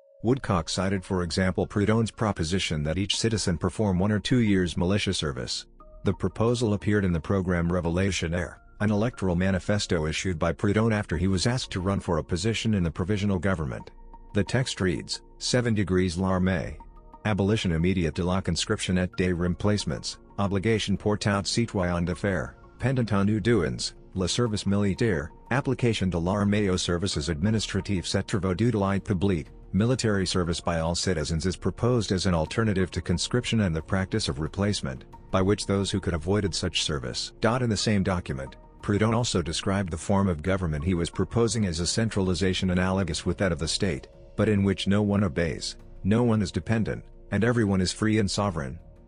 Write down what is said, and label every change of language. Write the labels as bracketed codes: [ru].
[en] Woodcock cited, for example, Proudhon's proposition that each citizen perform 1 or 2 years militia service. The proposal appeared in the program Révolutionnaire, an electoral manifesto issued by Proudhon after he was asked to run for a position in the provisional government. The text reads, 7 degrees l'armée. [fr] Abolition immediate de la conscription et des remplacements, obligation pour tout citoyen de faire, pendant un ou deux ans, le service militaire, application de l'armée aux services administratifs et travaux d'utilité publique, [en] military service by all citizens is proposed as an alternative to conscription and the practice of replacement, by which those who could avoided such service. In the same document, Proudhon also described the form of government he was proposing as a centralization analogous with that of the state, but in which no one obeys, no one is dependent, and everyone is free and sovereign.